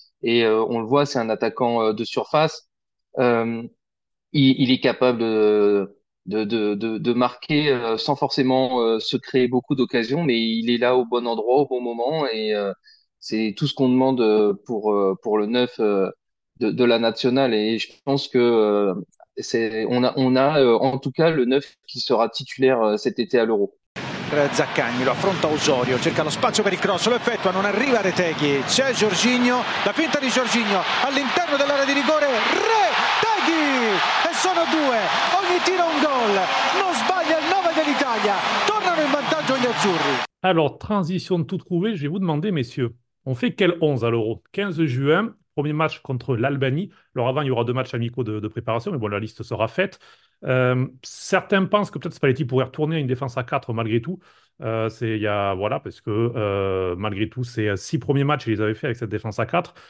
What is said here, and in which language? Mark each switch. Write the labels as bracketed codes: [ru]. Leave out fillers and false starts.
[fr] Et on le voit, c'est un attaquant de surface. Il est capable de marquer sans forcément se créer beaucoup d'occasions, mais il est là au bon endroit au bon moment, et c'est tout ce qu'on demande pour le neuf de la nationale. Et je pense que on a en tout cas le neuf qui sera titulaire cet été à l'Euro. [it] Zaccagni lo affronta Osorio, cerca lo spazio per il cross, lo effettua, non arriva Retegui, c'è Jorginho, la finta di Jorginho all'interno dell'area di rigore, Retegui, e sono due, ogni tiro un gol, non sbaglia il 9 dell'Italia, tornano in vantaggio gli azzurri. [fr] Alors, transition tout trouvé, je vais vous demander, messieurs, on fait quel 11 à l'Euro? 15 juin, premier match contre l'Albanie. Alors, avant, il y aura deux matchs amicaux de préparation, mais bon, la liste sera faite. Certains pensent que peut-être Spalletti pourrait retourner à une défense à 4 malgré tout. C'est, il y a, voilà, parce que malgré tout, c'est 6 premiers matchs qu'ils avaient fait avec cette défense à 4.